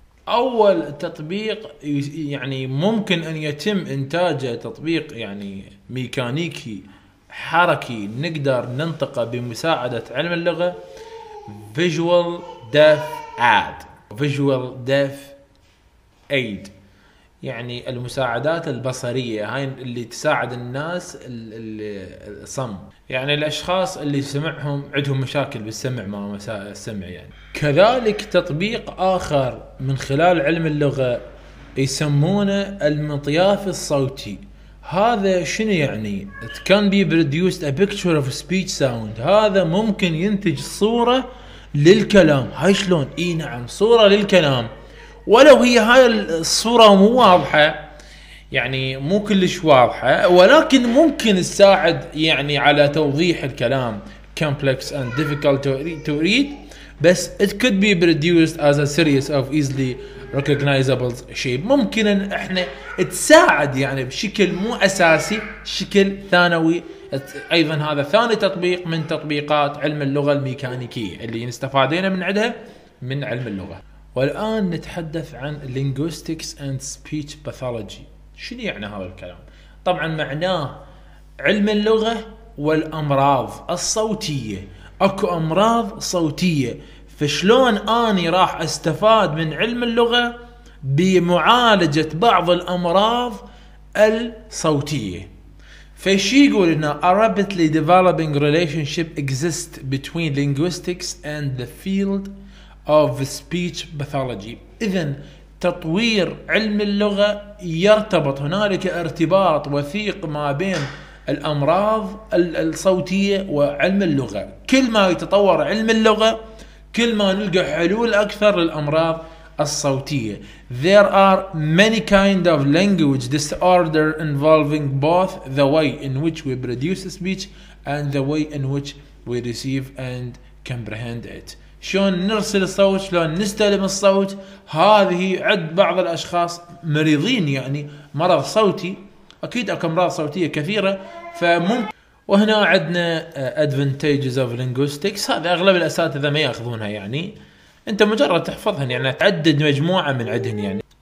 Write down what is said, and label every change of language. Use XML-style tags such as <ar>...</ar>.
<ar>أول تطبيق يعني ممكن أن يتم إنتاجه تطبيق يعني ميكانيكي حركي نقدر ننطقه بمساعدة علم اللغة Visual Deaf Aid، Visual Deaf Aid يعني المساعدات البصرية، هاي اللي تساعد الناس الصم، يعني الأشخاص اللي سمعهم عندهم مشاكل بالسمع ما السمع يعني. كذلك تطبيق آخر من خلال علم اللغة يسمونه المطياف الصوتي. هذا شنو يعني؟</ar> <en>It can be produced a picture of speech sound.</en> <ar>هذا ممكن ينتج صورة للكلام. هاي شلون؟ اي نعم، صورة للكلام ولو هي هاي الصورة مو واضحة، يعني مو كلش واضحة، ولكن ممكن تساعد يعني على توضيح الكلام.</ar> <en>complex and difficult to read</en> <ar>بس</ar> <en>it could be produced as a series of easily recognizable shapes.</en> <ar>ممكن ان احنا تساعد يعني بشكل مو اساسي، شكل ثانوي. ايضا هذا ثاني تطبيق من تطبيقات علم اللغة الميكانيكية اللي نستفادينا من عندها من علم اللغة. والان نتحدث عن</ar> <en>linguistics and speech pathology.</en> <ar>شنو يعني هذا الكلام؟ طبعا معناه علم اللغة والامراض الصوتية. اكو امراض صوتية، فشلون اني راح استفاد من علم اللغة بمعالجة بعض الامراض الصوتية. فشي يقول انه</ar> <en>a rapidly developing relationship exists between linguistics and the field of speech pathology.</en> <ar>إذن تطوير علم اللغة يرتبط، هنالك ارتباط وثيق ما بين الأمراض الصوتية وعلم اللغة. كل ما يتطور علم اللغة كل ما نلقى حلول أكثر للأمراض الصوتية.</ar> <en>There are many kind of language disorder involving both the way in which we produce speech and the way in which we receive and comprehend it.</en> <ar>شلون نرسل الصوت، شلون نستلم الصوت. هذه عد بعض الأشخاص مريضين يعني مرض صوتي، أكيد أكو أمراض صوتية كثيرة. فممكن وهنا عدنا</ar> <en>advantages of linguistics،</en> <ar>هذا أغلب الأساتذة ما يأخذونها، يعني أنت مجرد تحفظهن يعني تعدد مجموعة من عدهن يعني.</ar>